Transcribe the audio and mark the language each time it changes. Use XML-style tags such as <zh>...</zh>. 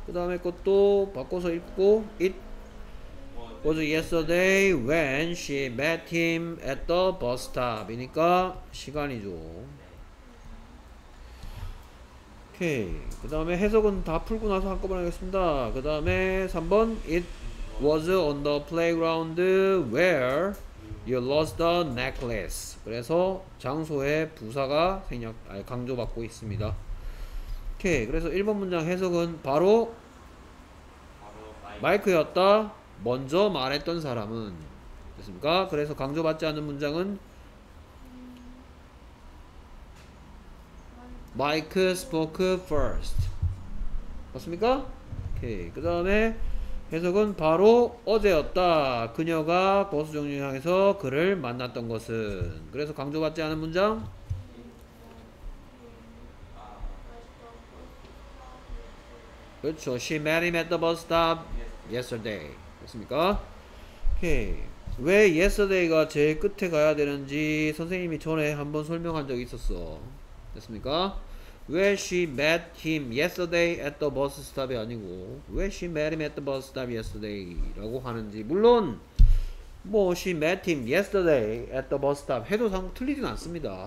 <ko>그 다음에 것도 바꿔서 읽고</ko> <en>It was yesterday when she met him at the bus stop</en> <ko>이니까 시간이죠. 오케이. 그 다음에 해석은 다 풀고 나서 한꺼번에 하겠습니다. 그 다음에 3번</ko> <en>It was on the playground where you lost the necklace.</en> <ko>그래서 장소에 부사가 생략, 아니, 강조받고 있습니다. 오케이. 그래서 1번 문장 해석은 바로 마이크였다. 먼저 말했던 사람은 됐습니까? 그래서 강조받지 않은 문장은</ko> <en>마이크 스포크 퍼스트</en> <ko>맞습니까? 오케이. 그 다음에 해석은 바로 어제였다. 그녀가 버스 정류장에서 그를 만났던 것은 그래서 강조받지 않은 문장 그렇죠.</ko> <en>She met him at the bus stop yesterday.</en> <ko>됐습니까? 오케이. 왜 yesterday가 제일 끝에 가야 되는지 선생님이 전에 한번 설명한 적이 있었어. 됐습니까?</ko> <en>Where she met him yesterday at the bus stop이 아니고 Where she met him at the bus stop yesterday</en> <ko>라고 하는지 물론 뭐</ko> <en>she met him yesterday at the bus stop</en> <ko>해도 틀리진 않습니다.</ko>